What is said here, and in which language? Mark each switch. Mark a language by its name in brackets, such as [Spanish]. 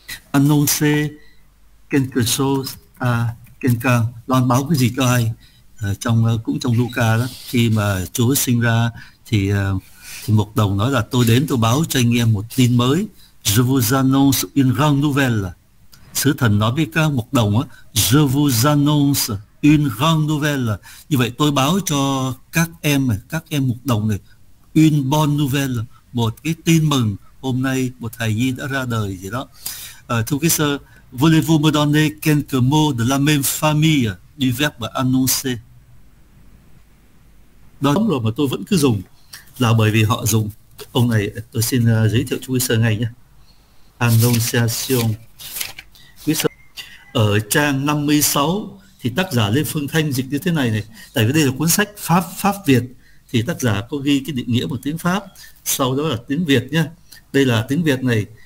[French] Annoncer quelque chose à quelqu'un, [Vietnamese] loan báo cái gì cho ai. Cũng trong Luca đó, khi mà Chúa sinh ra thì một đồng nói là tôi đến tôi báo cho anh em một tin mới. [French] Je vous annonce une grande nouvelle. [Vietnamese] Sứ thần nói với các một đồng á, [French] je vous annonce une grande nouvelle. [Vietnamese] Như vậy tôi báo cho các em một đồng này, [French] une bonne nouvelle, [Vietnamese] một cái tin mừng, hôm nay một thai nhi đã ra đời gì đó. Thưa quý sơ, [French] voulez-vous me donner quelques mots de la même famille du verbe annoncer? [Vietnamese] Đó đúng rồi mà tôi vẫn cứ dùng là bởi vì họ dùng. Ông này tôi xin giới thiệu cho quý sơ ngay nhé. Annonciation. Quý sơ, ở trang 56 thì tác giả Lê Phương Thanh dịch như thế này này. Tại vì đây là cuốn sách Pháp Pháp Việt thì tác giả có ghi cái định nghĩa bằng tiếng Pháp, sau đó là tiếng Việt nhé. Đây là tiếng Việt này.